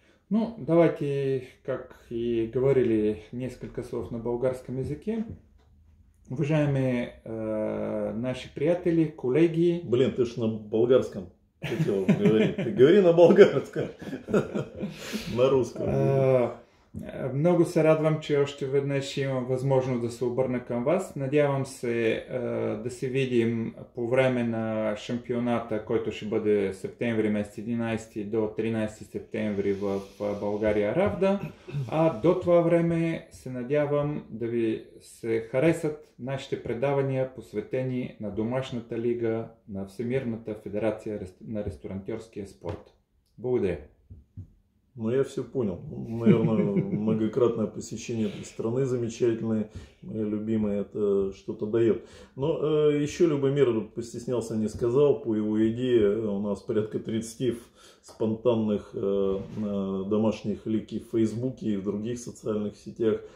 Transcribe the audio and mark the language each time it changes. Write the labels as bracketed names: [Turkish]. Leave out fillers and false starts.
[Russian] Ну, давайте, как и говорили, несколько слов на болгарском языке. Уважаемые наши приятели, коллеги. Блин, ты ж на болгарском хотел говорить. Ты говори на болгарском. На русском. [Bulgarian] Много се радвам, че още веднъж имам възможност да се обърна към вас. Надявам се да се видим по време на шампионата, който ще бъде септември месец 11 до 13 септември в България Равда. А до това време се надявам да ви се харесат нашите предавания, посветени на домашната лига на Всемирната федерация на ресторантьорския спорт. Благодаря! [Russian] Ну, я все понял. Наверное, многократное посещение этой страны замечательное, моя любимая, это что-то дает. Но еще Любомир постеснялся, не сказал, по его идее у нас порядка 30 спонтанных домашних ликей в Фейсбуке и в других социальных сетях.